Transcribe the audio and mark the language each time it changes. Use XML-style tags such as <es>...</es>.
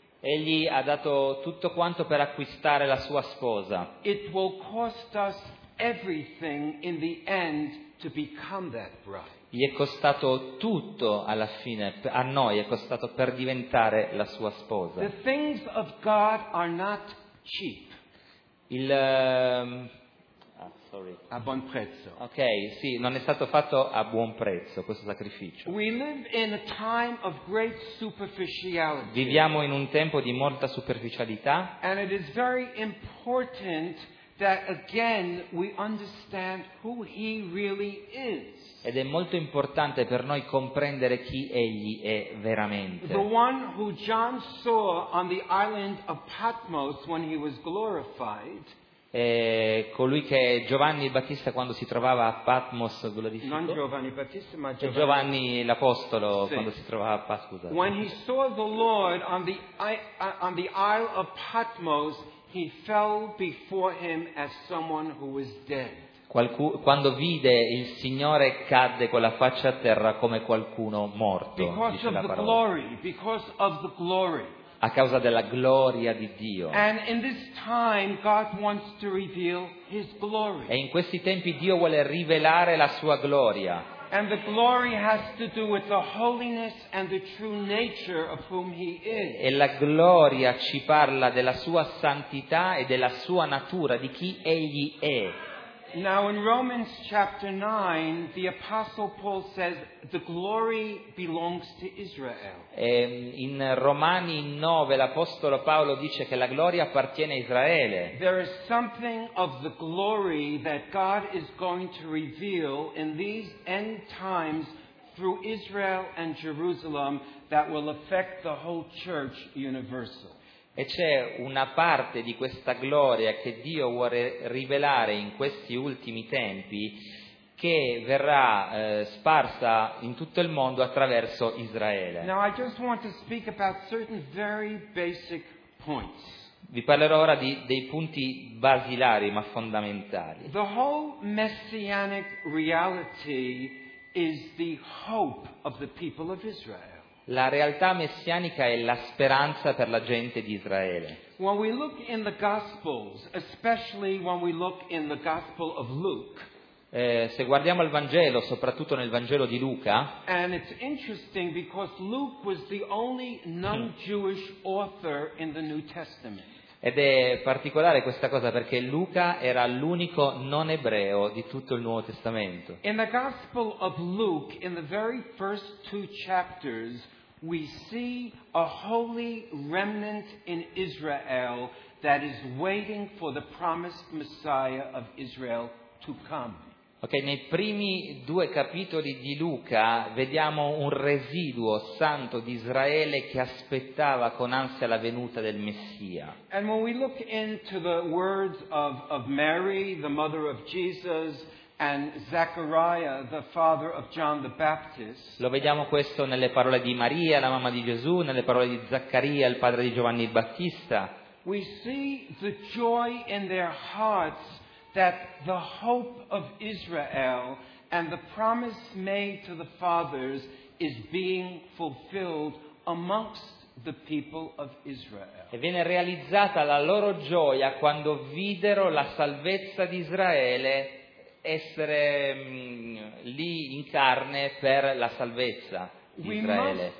<it>egli ha dato tutto quanto per acquistare la sua sposa,</it> <en>it will cost us everything in the end to become that bride.</en> <it>Gli è costato tutto alla fine, a noi è costato per diventare la sua sposa.</it> <en>The things of God are not cheap.</en> <it>Il a buon prezzo. Ok, sì, non è stato fatto a buon prezzo questo sacrificio.</it> <en>We live in a time of great superficiality.</en> <it>Viviamo in un tempo di molta superficialità.</it> <en>And it is very important that again we understand who he really is.</en> <it>Ed è molto importante per noi comprendere chi egli è veramente.</it> <en>The one who John saw on the island of Patmos when he was glorified.</en> <it>E colui che Giovanni il Battista, quando si trovava a Patmos, glorificato. Non Giovanni il Battista, ma Giovanni, Giovanni l'Apostolo, sì. Quando si trovava a Patmos.</it> <en>When he saw the Lord on the Isle of Patmos, he fell before him as someone who was dead.</en> <it>Quando vide il Signore, cadde con la faccia a terra come qualcuno morto.</it> <en>Because</en> <it>dice</it> <en>of</en> <it>la</it> <en>the glory, because of the glory.</en> <it>A causa della gloria di Dio.</it> <en>And in this time God wants to reveal his glory.</en> <it>E in questi tempi Dio vuole rivelare la sua gloria.</it> <en>And the glory has to do with the holiness and the true nature of whom he is.</en> <it>E la gloria ci parla della sua santità e della sua natura, di chi egli è.</it> <en>Now in Romans chapter 9 the apostle Paul says the glory belongs to Israel.</en> <it>In Romani 9 l'apostolo Paolo dice che la gloria appartiene a Israele.</it> <en>There is something of the glory that God is going to reveal in these end times through Israel and Jerusalem that will affect the whole church universal.</en> <it>E c'è una parte di questa gloria che Dio vuole rivelare in questi ultimi tempi che verrà sparsa in tutto il mondo attraverso Israele.</it> <en>Now I just want to speak about certain very basic points.</en> <it>Vi parlerò ora di dei punti basilari ma fondamentali.</it> <en>The whole messianic reality is the hope of the people of Israel.</en> <it>La realtà messianica è la speranza per la gente di Israele.</it> <en>When we look in the Gospels, especially when we look in the Gospel of Luke,</en> <it>se guardiamo il Vangelo, soprattutto nel Vangelo di Luca,</it> <en>and it's interesting because Luke was the only non-Jewish author in the New Testament.</en> <it>Ed è particolare questa cosa perché Luca era l'unico non ebreo di tutto il Nuovo Testamento.</it> <en>In the Gospel of Luke, in the very first two chapters, we see a holy remnant in Israel that is waiting for the promised Messiah of Israel to come.</en> <it>Ok, nei primi due capitoli di Luca vediamo un residuo santo di Israele che aspettava con ansia la venuta del Messia.</it> <en>And when we look into the words of Mary, the mother of Jesus, and Zechariah, the father of John the Baptist.</en> <it>Lo vediamo questo nelle parole di Maria, la mamma di Gesù, nelle parole di Zaccaria, il padre di Giovanni il Battista.</it> <en>We see the joy in their hearts that the hope of Israel and the promise made to the fathers is being fulfilled amongst the people of Israel.</en> <it>E viene realizzata la loro gioia quando videro la salvezza di Israele essere lì in carne per la salvezza di Israele.</it>